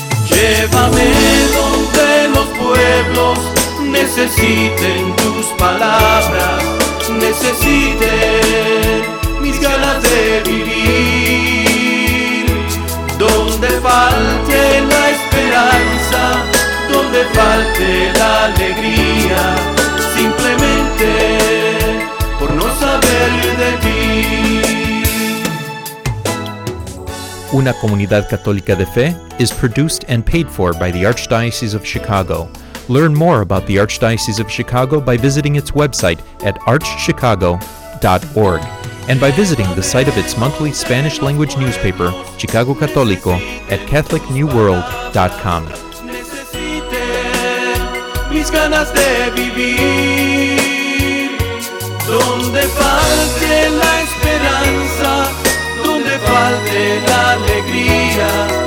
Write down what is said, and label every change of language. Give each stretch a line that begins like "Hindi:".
Spanish: Llévame donde los pueblos necesiten tus palabras, necesiten mis ganas de vivir. Donde falte la esperanza, donde falte la alegría, simplemente por no saber de ti.
English: Una comunidad católica de fe is produced and paid for by the Archdiocese of Chicago. Learn more about the Archdiocese of Chicago by visiting its website at archchicago.org and by visiting the site of its monthly Spanish language newspaper, Chicago Católico, at catholicnewworld.com.
Spanish: Necesite mis ganas de vivir. Donde falte la esperanza, donde falte la alegría.